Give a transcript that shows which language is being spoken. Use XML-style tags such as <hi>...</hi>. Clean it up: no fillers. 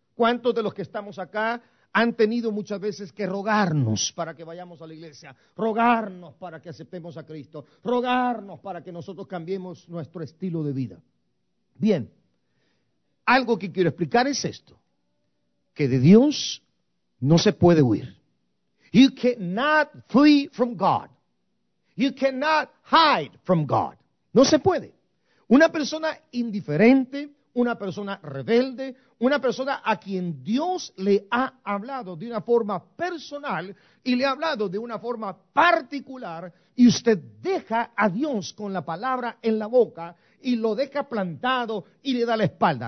<es>¿Cuántos de los que estamos acá han tenido muchas veces que rogarnos para que vayamos a la iglesia, rogarnos para que aceptemos a Cristo, rogarnos para que nosotros cambiemos nuestro estilo de vida? Bien, algo que quiero explicar es esto, que de Dios no se puede huir.</es> <en>You cannot flee from God. You cannot hide from God.</en> <es>No se puede. Una persona indiferente, una persona rebelde, una persona a quien Dios le ha hablado de una forma personal y le ha hablado de una forma particular, y usted deja a Dios con la palabra en la boca y lo deja plantado y le da la espalda.</es>